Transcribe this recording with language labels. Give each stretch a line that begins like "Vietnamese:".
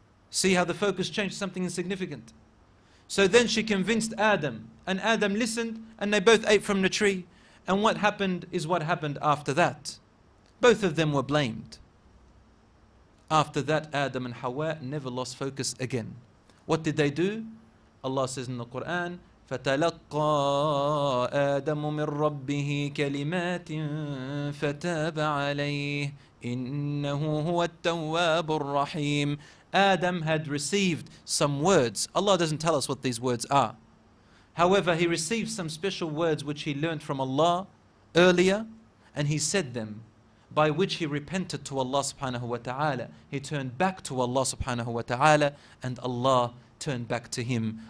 English: See how the focus changed, something insignificant. So then she convinced Adam, and Adam listened, and they both ate from the tree. And what happened is what happened after that. Both of them were blamed. After that, Adam and Hawa never lost focus again. What did they do? Allah says in the Quran,
Arabic: فَتَلَقَّى آدَمُ مِن رَبِّهِ كَلِمَاتٍ فَتَابَ عَلَيْهِ إِنَّهُ هُوَ التَّوَّابُ الرَّحِيمُ.
English: Adam had received some words. Allah doesn't tell us what these words are. However, he received some special words which he learned from Allah earlier, and he said them, by which he repented to Allah subhanahu wa ta'ala. He turned back to Allah subhanahu wa ta'ala, and Allah turned back to him.